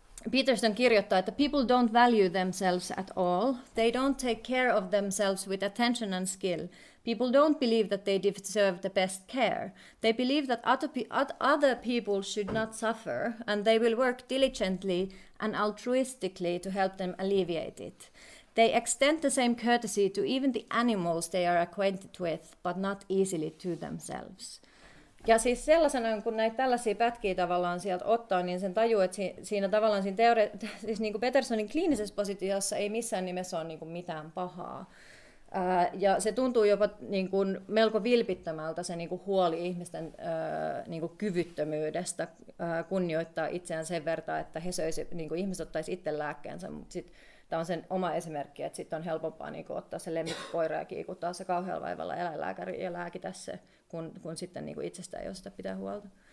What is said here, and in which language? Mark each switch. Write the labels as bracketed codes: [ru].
[fi] Peterson kirjoittaa, että [en] people don't value themselves at all. They don't take care of themselves with attention and skill. People don't believe that they deserve the best care. They believe that other people should not suffer, and they will work diligently and altruistically to help them alleviate it. They extend the same courtesy to even the animals they are acquainted with, but not easily to themselves. [fi] Ja siis sellaisena, kun näitä tällaisia pätkiä tavallaan sieltä ottaa, niin sen tajuu, että siinä tavallaan siinä siis niin kuin Petersonin kliinisessä positiossa ei missään nimessä ole niin kuin mitään pahaa. Ja se tuntuu jopa niin kuin melko vilpittömältä se niin kuin huoli ihmisten niin kuin kyvyttömyydestä kunnioittaa itseään sen verran, että he söisi, niin kuin ihmiset ottaisi itse lääkkeensä, mutta sit tämä on sen oma esimerkki, että sitten on helpompaa niin kuin ottaa se lemmikkikoira ja kiikuttaa se kauhealla vaivalla eläinlääkäri ja lääkitä se, kun sitten niin kuin itsestä ei ole sitä pitää huolta.